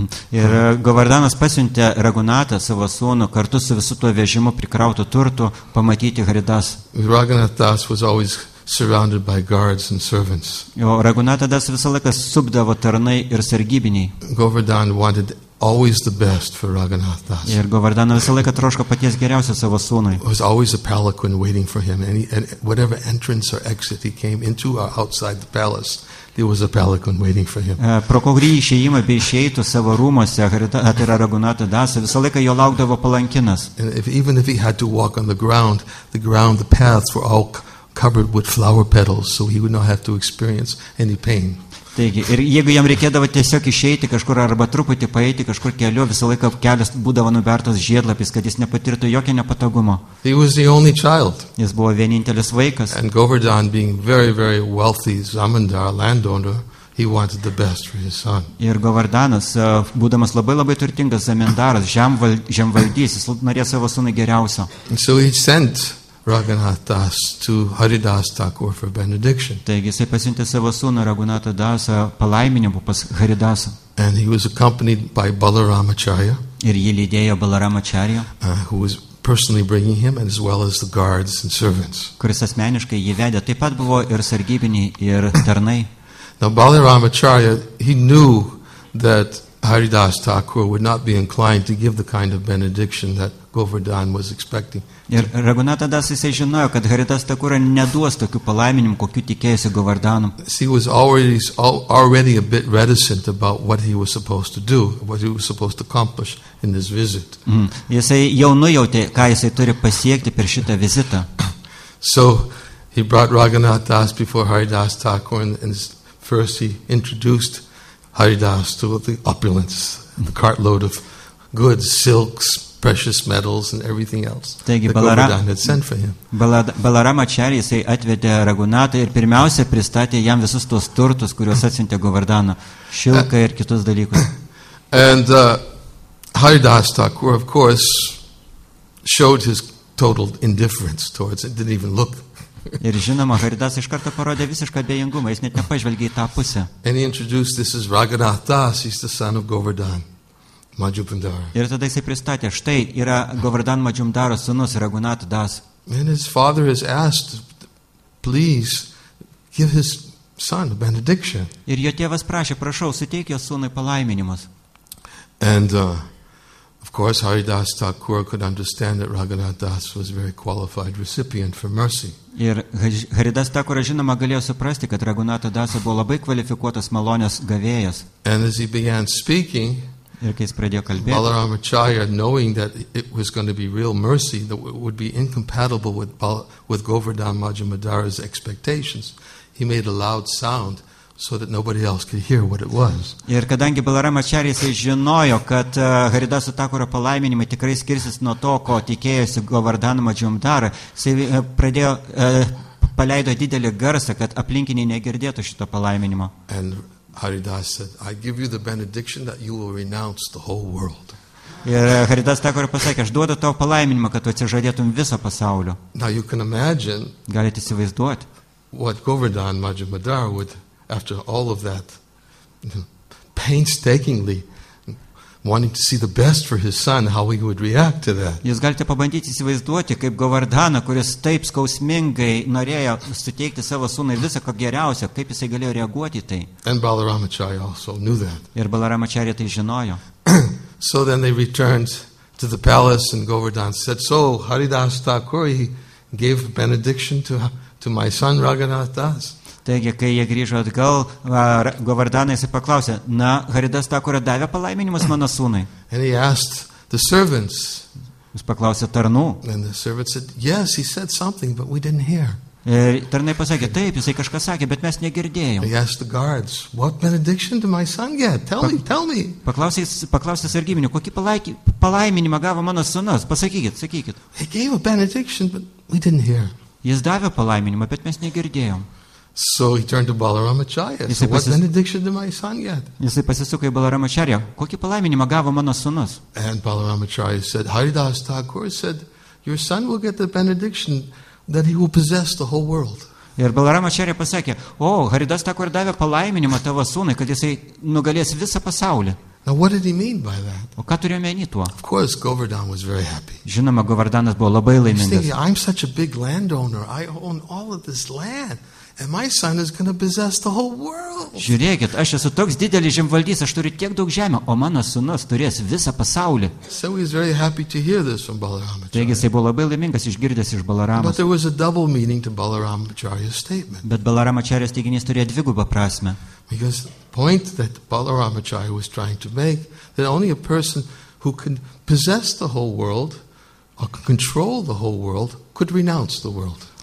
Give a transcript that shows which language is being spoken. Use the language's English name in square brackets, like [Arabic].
[Lithuanian] Ir Govardanas pasiuntė Raghunatą savo sūnų kartu su visu tuo vežimu prikrautu turtu pamatyti Haridas. [English] Raghunath Das was always surrounded by guards and servants. [Lithuanian] Jo Raghunatą Das visą laiką supdavo tarnai ir sargybiniai. [English] Govardhan wanted always the best for Raghunath Das. [Lithuanian] Ir Govardhan visą laiką troško paties geriausio savo sūnui. [English] There was always a palanquin waiting for him, and whatever entrance or exit he came into or outside the palace, there was a palanquin waiting for him. [Lithuanian] Pro kurį išėjimą bei išėjtų savo rūmose, tai yra Raghunatą Dasą, visą laiką jo laukdavo palankinas. [English] Even if he had to walk on the ground, the paths were all covered with flower petals, so he would not have to experience any pain. [Lithuanian] Taigi, ir jeigu jam reikėdavo tiesiog išeiti kažkur arba truputį paeiti kažkur keliu, visą laiką kelias būdavo nubertas žiedlapis, kad jis nepatirtų jokio nepatogumo. [English] He was the only child. [Lithuanian] Jis buvo vienintelis vaikas. [English] And Govardhan being very, very wealthy zamindar landowner, he wanted the best for his son. [Lithuanian] Ir Govardhanas, būdamas labai labai turtingas zamindaras, žemvaldys, jis norėjo savo sūnų geriausio. [English] And so he sent Raghunath Das to Haridas Thakur for benediction. [Lithuanian] Taigi jisai pasiuntė savo sūnų Raghunatą Dasą palaiminimu pas Haridasą. [English] And he was accompanied by Balaramacharya. [Lithuanian] Ir jį lydėjo Balaramacharya, [English] who was personally bringing him as well as the guards and servants. [Lithuanian] Kuris asmeniškai jį vedė, taip pat buvo ir sargybiniai ir tarnai. [English] Now Balaramacharya, he knew that Haridas Thakur would not be inclined to give the kind of benediction that Govardhan was expecting. [Lithuanian] Ir Raghunatha Das jisai žinojo, kad Haridas Thakur neduos tokių palaiminimų, kokių tikėjosi Govardhanu. [English] He was already a bit reticent about what he was supposed to do, what he was supposed to accomplish in this visit. [Lithuanian] Jisai jau nujautė, ką jisai turi pasiekti per šitą vizitą. [English] So he brought Raghunath Das before Haridas Thakur, and first he introduced Haridas to the opulence, the cartload of goods, silks, precious metals and everything else. [Lithuanian] Taigi, [English] that Govardhan had sent for him. [Lithuanian] Balaramacharya, jisai atvedė Raghunatą ir pirmiausia pristatė jam visus tuos turtus, kuriuos atsiuntė Govardhaną, šilką ir kitus dalykus. [English] And Haridas Thakur, of course, showed his total indifference towards it, didn't even look. [Lithuanian] Ir žinoma, Haridas iš karto parodė visišką abejingumą, jis net nepažvelgė į tą pusę. [English] And he introduced, this is Raghunath Das, he's the son of Govardhan. [Lithuanian] Ir tada jisai pristatė, štai yra Govardhan Majumdaro sūnus Raghunath Das. [English] And his father has asked, please give his son a benediction. [Lithuanian] Ir jo tėvas prašė, prašau, suteik jo sūnui palaiminimus. [English] And of course Haridas Thakur could understand that Raghunath Das was a very qualified recipient for mercy. [Lithuanian] Ir Haridas Thakur, žinoma, galėjo suprasti, kad Raghunatha Das buvo labai kvalifikuotas malonės gavėjas. [English] And as he began speaking, [Lithuanian] ir kai jis pradėjo kalbėti, [English] Balaramacharya, knowing that it was going to be real mercy, that it would be incompatible with Govardhan Majumdar's expectations, he made a loud sound so that nobody else could hear what it was. [Lithuanian] Ir kadangi Balaramacharya žinojo, kad Haridas Thakuro palaiminimai tikrai skirsis nuo to, ko tikėjosi Govardhan Majumdar, jisai pradėjo paleido didelį garsą, kad aplinkiniai negirdėtų šito palaiminimo. [English] Haridas said, I give you the benediction that you will renounce the whole world. [Lithuanian] Ir Haridas Thakur pasakė, aš duodu tavo palaiminimą, kad tu atsižadėtum viso pasaulio. [English] Now you can imagine, [Lithuanian] galite įsivaizduoti, [English] what Govardhan Majumdar would, after all of that, painstakingly wanting to see the best for his son, how he would react to that. [Lithuanian] Jūs galite pabandyti įsivaizduoti, kaip Govardhana, kuris taip skausmingai norėjo suteikti savo sūnui visą ką geriausia, kaip jisai galėjo reaguoti tai. [English] And Balaramacharya also knew that. [Lithuanian] Ir Balaramacharya tai žinojo. [English] So then they returned to the palace and Govardhan said, so Haridas Thakur gave benediction to my son Raghunath Das. [Lithuanian] Taigi, kai jie grįžo atgal, Govardhanai jisai paklausė, na, Haridas Thakur davė palaiminimus mano sūnui. [English] And he asked the servants. [Lithuanian] Jis paklausė tarnų. [English] And the servants said, yes, he said something, but we didn't hear. [Lithuanian] Ir tarnai pasakė, taip, jisai kažką sakė, bet mes negirdėjom. [English] He asked the guards, what benediction did my son get? Tell me. [Lithuanian] Paklausė sargybinių, kokį palaiminimą gavo mano sūnus? Pasakykit. [English] He gave a benediction, but we didn't hear. [Lithuanian] Jis davė palaiminimą, bet mes negirdėjom. [English] So he turned to Balarama Chaya. So what benediction did my son get? [Lithuanian] Jisai pasisuko į Balarama Chaya. Kokį palaiminimą gavo mano sūnus? [English] And Balarama Chaya said, Haridas Thakur said, your son will get the benediction that he will possess the whole world. [Lithuanian] Ir Balarama Chaya pasakė, o, Haridas Thakur davė palaiminimą tavo sūnui, kad jisai nugalės visą pasaulį. [English] Now what did he mean by that? [Lithuanian] O ką turėjo meni tuo? [English] Of course, Govardhan was very happy. [Lithuanian] Žinoma, Govardhanas buvo labai laimingas. [English] He's thinking, I'm such a big landowner. I own all of this land. And my son is going to possess the whole world. [Lithuanian] Žiūrėkit, aš esu toks didelis žemvaldys, aš turiu tiek daug žemės, o mano sūnus turės visą pasaulį. [English] So he was very happy to hear this from Balarama. [Lithuanian] Taigi jisai buvo labai laimingas išgirdęs iš Balaramos. [English] But there was a double meaning to Balarama Charya's statement. [Lithuanian] Bet Balarama Charya's teiginys turėjo dvigubą prasmę. [English] Because the point that Balarama Charya was trying to make, that only a person who can possess the whole world or control the whole world could renounce the world.